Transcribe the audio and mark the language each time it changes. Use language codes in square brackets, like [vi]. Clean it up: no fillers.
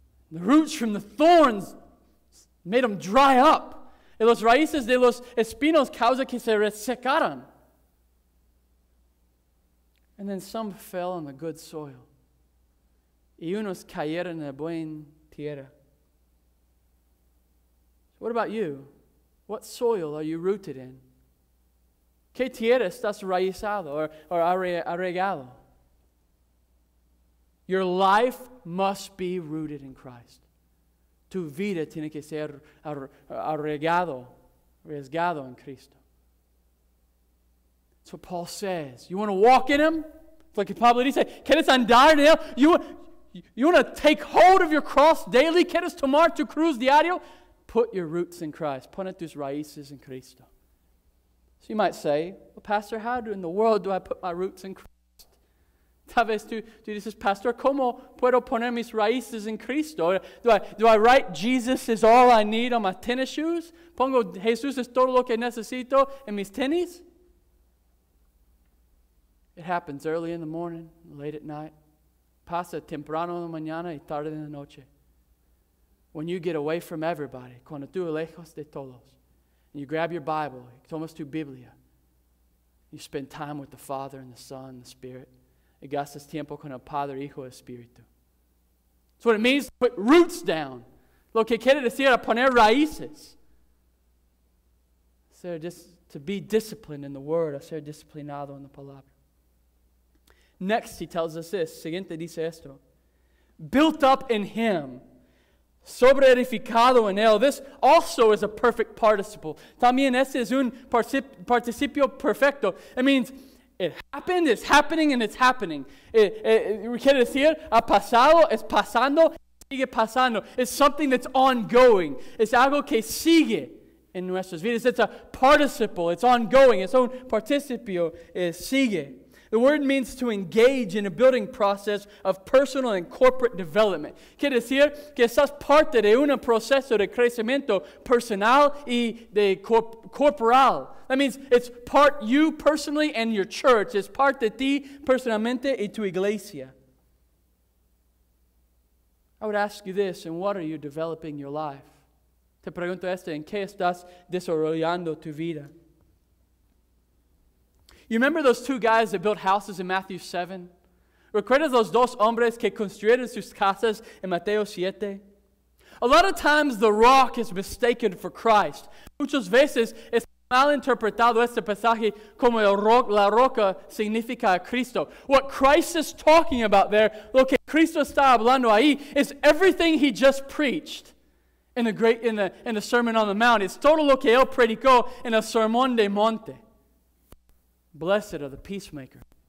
[en] The roots from the thorns made them dry up. [es] Y los raíces de los espinos causa que se resecaran. [en] And then some fell on the good soil. [es] Y unos cayeron en la buena tierra. [en] So what about you? What soil are you rooted in? [es] ¿Qué tierra estás raizado or arraigado? [en] Your life must be rooted in Christ. [es] Tu vida tiene que ser arraigado en Cristo. [en] That's what Paul says. You want to walk in Him? It's like [es] Pablo dice, ¿quieres andar en Él? [en] You want to take hold of your cross daily? [es] ¿Quieres tomar tu cruz diario? [en] Put your roots in Christ. [es] Pon tus raíces en Cristo. [en] So you might say, well, Pastor, how in the world do I put my roots in Christ? [es] Tal vez tú dices, Pastor, ¿cómo puedo poner mis raíces en Cristo? [en] Do I write Jesus is all I need on my tennis shoes? [es] ¿Pongo Jesús es todo lo que necesito en mis tenis? [en] It happens early in the morning, late at night. [es] Pasa temprano en la mañana y tarde en la noche. [en] when you get away from everybody, [es] cuando tú lejos de todos, [en] and you grab your Bible, it's almost [es] tu Biblia, [en] you spend time with the Father and the Son and the Spirit. [es] Y gastas tiempo con el Padre, Hijo, Espíritu. [en] It's what it means to put roots down. [es] Lo que quiere decir poner raíces. Ser [en] to be disciplined in the Word, [es] a ser disciplinado en la Palabra. [en] Next, he tells us this. [es] Siguiente dice esto. [en] Built up in Him. [es] Sobre edificado en Él. [en] This also is a perfect participle. [es] También ese es un participio perfecto. [en] It means it happened, it's happening, and it's happening. [es] Quiere decir, ha pasado, es pasando, sigue pasando. [en] It's something that's ongoing. [es] Es algo que sigue en nuestras vidas. [en] It's a participle. It's ongoing. It's [es] un participio. Es sigue. [en] The word means to engage in a building process of personal and corporate development. [es] Quiere decir que estás parte de un proceso de crecimiento personal y de corporal. [en] That means it's part you personally and your church. It's part [es] de ti personalmente y tu iglesia. [en] I would ask you this, in what are you developing your life? [es] Te pregunto esto, ¿en qué estás desarrollando tu vida? [en] You remember those two guys that built houses in Matthew 7? [es] ¿Recuerdas los dos hombres que construyeron sus casas en Mateo 7? [en] A lot of times the rock is mistaken for Christ. [es] Muchas veces es mal interpretado este pasaje como la roca significa a Cristo. [en] What Christ is talking about there, [es] lo que Cristo está hablando ahí, [en] is everything he just preached in the Sermon on the Mount. [es] It's todo lo que él predicó en el Sermón de Monte. [en] Blessed are the peacemakers.